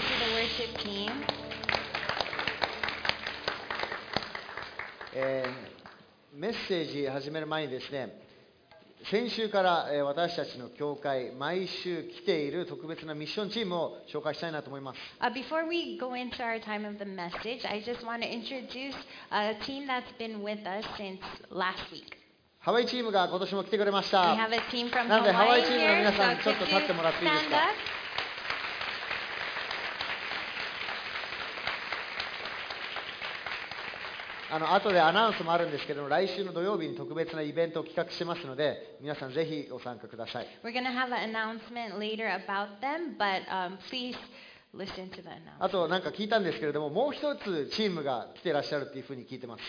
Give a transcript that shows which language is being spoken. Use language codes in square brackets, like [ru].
[en] Thank you for the worship team. [ja] メッセージ始める前にですね、先週から私たちの教会毎週来ている特別なミッションチームを紹介したいなと思います。 [en] Before we go into our time of the message, I just want to introduce a team that's been with us since last week. [ja] ハワイチームが今年も来てくれました。 [en] We have a team from Hawaii here. [ja] なのでハワイチームの皆さんちょっと立ってもらっていいですか？後でアナウンスもあるんですけども、来週の土曜日に特別なイベントを企画しますので、皆さんぜひご参加ください。 [en] We're going to have an announcement later about them, but please listen to the announcement. [ja] あとなんか聞いたんですけれども、もう一つチームが来てらっしゃるっていうふうに聞いてます。